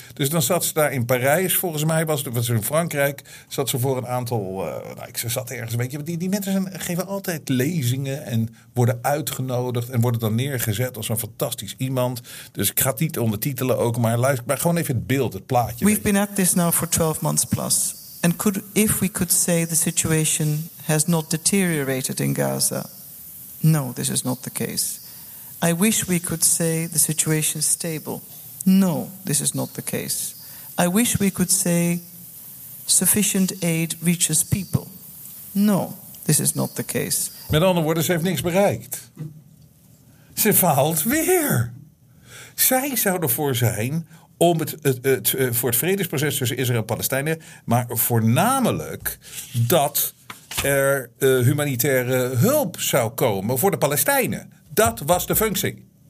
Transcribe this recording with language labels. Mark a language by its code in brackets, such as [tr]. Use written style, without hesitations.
[nl] Dus dan zat ze daar in Parijs, volgens mij was ze in Frankrijk. Zat ze voor een aantal, ze zat ergens, weet je. Die mensen geven altijd lezingen en worden uitgenodigd en worden dan neergezet als een fantastisch iemand. Dus ik ga het niet ondertitelen ook, maar luister, maar gewoon even het beeld, het plaatje. [en] We've been at this now for 12 months plus. And could, if we could say the situation has not deteriorated in Gaza. No, this is not the case. I wish we could say the situation is stable. No, this is not the case. I wish we could say sufficient aid reaches people. No, this is not the case. [nl] Met andere woorden, ze heeft niks bereikt. Ze faalt weer. Zij zou ervoor zijn om voor het vredesproces tussen Israël en Palestijnen, maar voornamelijk dat er humanitaire hulp zou komen voor de Palestijnen. Dat was de functie.